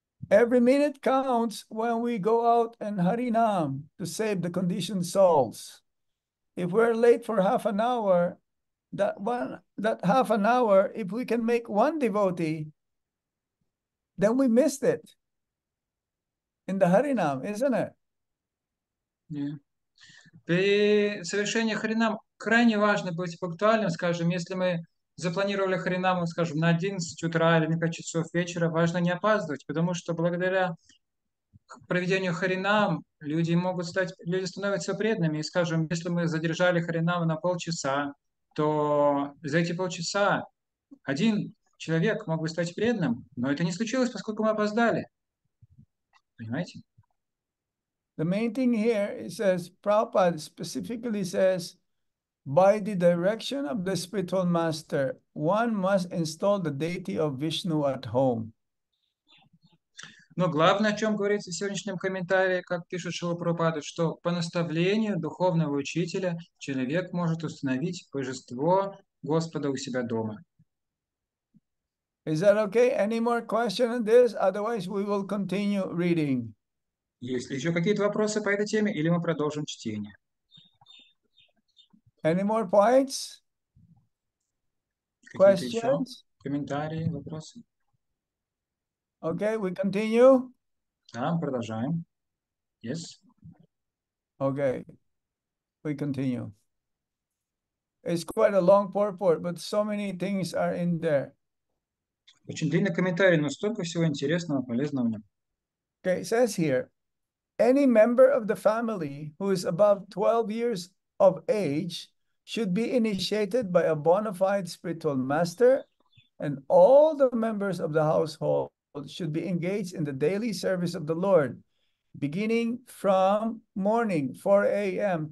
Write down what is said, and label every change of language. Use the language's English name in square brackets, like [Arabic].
[English] Every minute counts when we go out and Harinam to save the conditioned souls. If we're late for half an hour, that half an hour, if we can make one devotee, then we missed it in the Harinam, isn't it? Yeah. [Russian] При совершении Харинам крайне важно быть пунктуальным. Скажем, если мы запланировали Харинам, скажем, на 11 утра или на 5 часов вечера, важно не опаздывать, потому что благодаря проведению Харинам люди становятся преданными. И, скажем, если мы задержали Харинам на полчаса, то за эти полчаса один человек мог бы стать преданным, но это не случилось, поскольку мы опоздали. Понимаете? [English] The main thing here is, as Prabhupada specifically says, by the direction of the spiritual master, one must install the deity of Vishnu at home. [Russian] Но главное, о чем говорится в сегодняшнем комментарии, как пишет Шрила Прабхупада, что по наставлению духовного учителя человек может установить божество Господа у себя дома. [English] Is that okay? Any more question on this? Otherwise, we will continue reading. [Russian] Есть ли еще какие-то вопросы по этой теме, или мы продолжим чтение? [English] Any more points? [Russian] Какие-то [English] Questions? [Russian] Еще комментарии, вопросы? [English] Okay, we continue. [Russian] Да, продолжаем. [English] Yes. Okay, we continue. It's quite a long purport, but so many things are in there. [Russian] Очень длинный комментарий, но столько всего интересного, полезного в нем. [English] Okay, it says here, any member of the family who is above 12 years of age should be initiated by a bona fide spiritual master, and all the members of the household should be engaged in the daily service of the Lord, beginning from morning, 4 a.m.